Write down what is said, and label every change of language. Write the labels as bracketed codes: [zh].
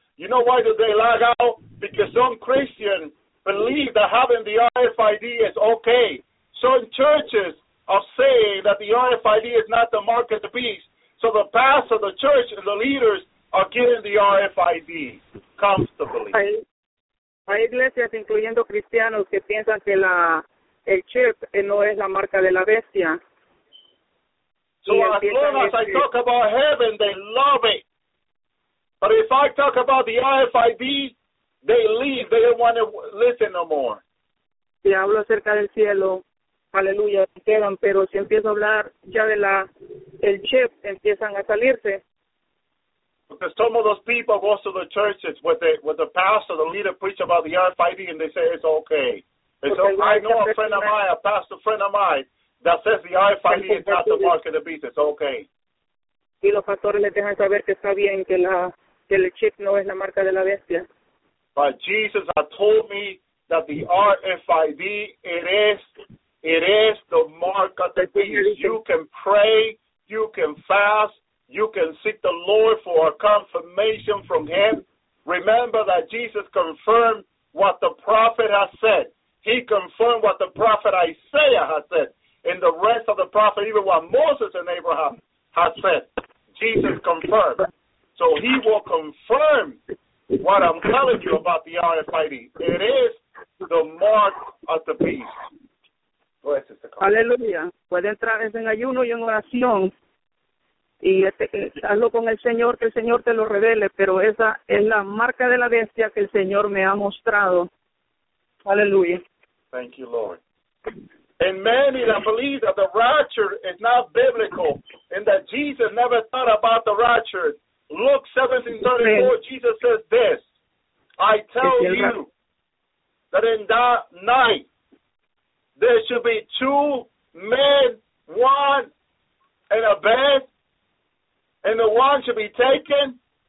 [en] You know why do they lag out? Because some Christians believe that having the RFID is okay. Some churches are saying that the RFID is not the mark of the beast. So the pastor, the church, and the leaders are getting the RFID comfortably. [es] Hay iglesias, incluyendo cristianos, que piensan que el chip no es la marca de la bestia. [en] So as long as I talk about heaven, they love it. But if I talk about the RFID, they leave. They don't want to listen no more. [es] Si hablo acerca del cielo, aleluya, quedan. Pero si empiezo a hablar ya de el chip, empiezan a salirse. [en] Because some of those people go to the churches with the pastor, the leader, preach about the RFID, and they say it's okay. So I know a friend of mine, a pastor friend of mine, that says the RFID is not the mark of the beast. It's okay. [es] Y los pastores les dejan saber que está bien, que el chip no es la marca de la bestia. [en] But Jesus has told me that the RFID, it is the mark of the beast. You can pray, you can fast, you can seek the Lord for a confirmation from him. Remember that Jesus confirmed what the prophet has said. He confirmed what the prophet Isaiah has said, and the rest of the prophet, even what Moses and Abraham has said, Jesus confirmed. So he will confirm what I'm telling you about the RFID. It is the mark of the beast. Hallelujah. [es] Puede entrar en ayuno y en oración, y hazlo con el Señor, que el Señor te lo revele, pero esa es la marca de la bestia que el Señor me ha mostrado. [en] Hallelujah. Thank you, Lord. And many that believe that the rapture is not biblical and that Jesus never thought about the rapture. Luke 17:34, Jesus says this, I tell you that in that night there should be two men, one in a bed, and the one should be taken